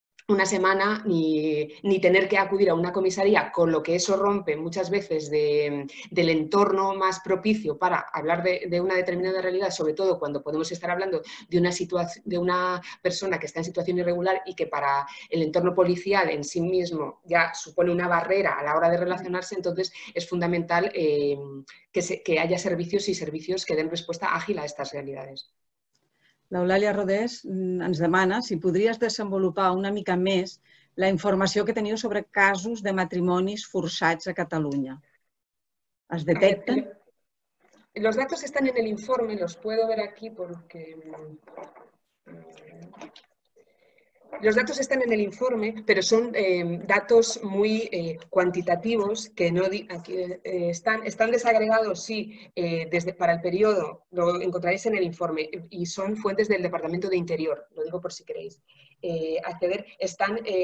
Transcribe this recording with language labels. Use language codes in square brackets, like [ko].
[es] una semana ni tener que acudir a una comisaría, con lo que eso rompe muchas veces del entorno más propicio para hablar de una determinada realidad, sobre todo cuando podemos estar hablando de una persona que está en situación irregular y que para el entorno policial en sí mismo ya supone una barrera a la hora de relacionarse. Entonces es fundamental que haya servicios que den respuesta ágil a estas realidades. [ca] L'Eulàlia Rodés ens demana si podries desenvolupar una mica més la informació que teniu sobre casos de matrimonis forçats a Catalunya. Es detecten? [es] Los datos están en el informe, los puedo ver aquí porque... Los datos están en el informe, pero son datos muy cuantitativos que no aquí, están desagregados, sí, para el periodo, lo encontraréis en el informe, y son fuentes del Departamento de Interior, lo digo por si queréis acceder. Están